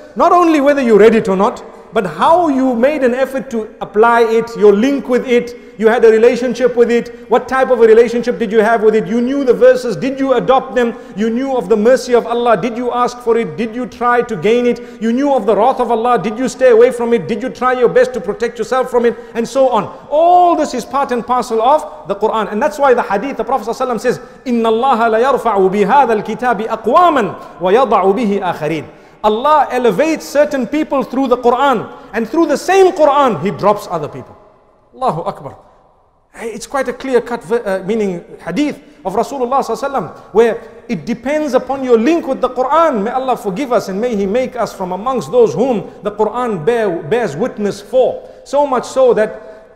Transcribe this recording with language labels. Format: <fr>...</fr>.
<en>Not only whether you read it or not, but how you made an effort to apply it, your link with it, you had a relationship with it, what type of a relationship did you have with it, you knew the verses, did you adopt them, you knew of the mercy of Allah, did you ask for it, did you try to gain it, you knew of the wrath of Allah, did you stay away from it, did you try your best to protect yourself from it, and so on. All this is part and parcel of the Quran. And that's why the hadith, the Prophet ﷺ says,</en> <ar>إِنَّ اللَّهَ لَيَرْفَعُ بِهَذَا الْكِتَابِ أَقْوَامًا وَيَضَعُ بِهِ آخَرِينَ.</ar> <en>Allah elevates certain people through the Quran, and through the same Quran, He drops other people. Allahu Akbar. Hey, it's quite a clear cut meaning hadith of Rasulullah sallallahu alaihi wasallam, where it depends upon your link with the Quran. May Allah forgive us, and may He make us from amongst those whom the Quran bears witness for. So much so that</en>